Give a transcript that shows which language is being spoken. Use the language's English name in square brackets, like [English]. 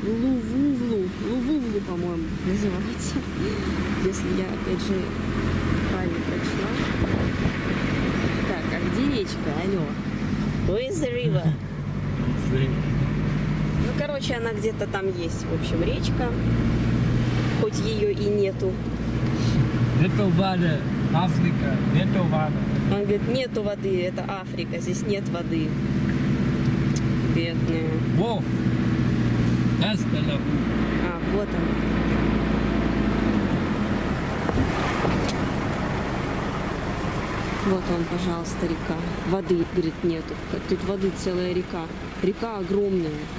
[Russian] Лувулу, по-моему, называется. Если я, опять же, правильно прочла. Так, а где речка? Алло. [English] Where is the river? [Russian] Ну, короче, она где-то там есть. В общем, речка. Хоть ее и нету. [English] Little water, Africa, [Russian] нету воды. Он говорит, нету воды, это Африка, здесь нет воды. Бедная. Воу! А, вот он. Вот он, пожалуйста, река. Воды, говорит, нету. Тут воды целая река. Река огромная.